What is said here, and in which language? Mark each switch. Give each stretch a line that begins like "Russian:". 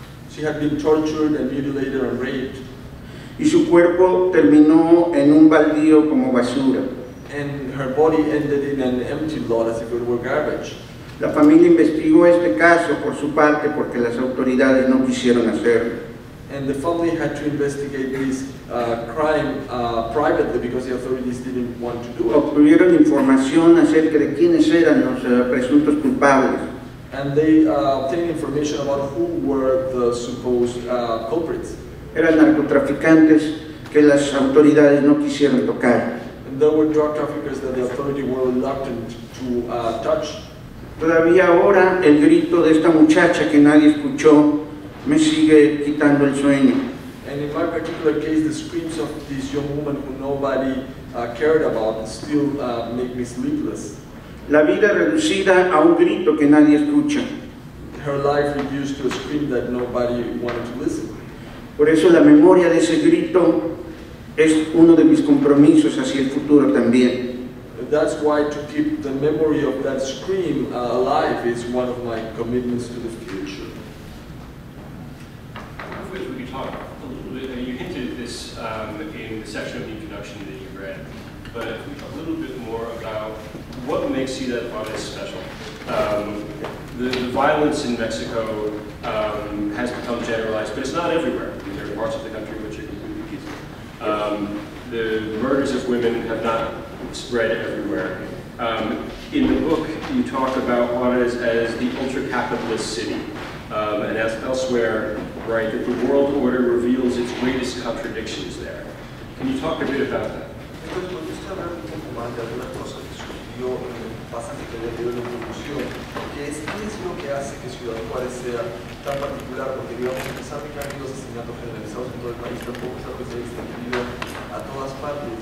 English: She had been tortured and mutilated and raped.
Spanish: Y su cuerpo terminó en un baldío como basura.
English: And her body ended in an empty lot as if it were garbage.
Spanish: La familia investigó este caso por su parte porque las autoridades no quisieron hacerlo.
English: And the family had to investigate this crime privately because the authorities didn't want to do it.
Spanish: Obtuvieron información acerca de quiénes eran los presuntos culpables.
English: And they obtained information about who were the supposed culprits.
Spanish: Eran narcotraficantes que las autoridades no quisieron tocar.
English: And there were drug traffickers that the authorities were reluctant to touch.
Spanish: Todavía ahora el grito de esta muchacha que nadie escuchó me sigue quitando el sueño.
English: And in my particular case, the screams of this young woman who nobody cared about still make me sleepless.
Spanish: La vida reducida a un grito que nadie escucha.
English: Her life reduced to a scream that nobody wanted to listen.
Spanish: Por eso la memoria de ese grito es uno de mis compromisos hacia el futuro también.
English: That's why to keep the memory of that scream alive is one of my commitments to the future. You hinted this in the section of the introduction that you read, but if we talk a little bit more about what makes Ciudad Juárez special. The violence in Mexico has become generalized, but it's not everywhere. There are parts of the country which are completely peaceful. The murders of women have not spread everywhere. In the book, you talk about Juárez as the ultra-capitalist city, and as elsewhere, right, that the world order reveals its greatest contradictions there. Can you talk a bit about that?
Spanish: Pues porque estoy hablando un poco más de algunas cosas que surgió en el pasaje que le dio la introducción, que es qué es lo que hace que Ciudad Juárez sea tan particular, porque digamos, a pesar de que hay los asesinatos generalizados en todo el país, tampoco es algo que se ha distribuido a todas partes.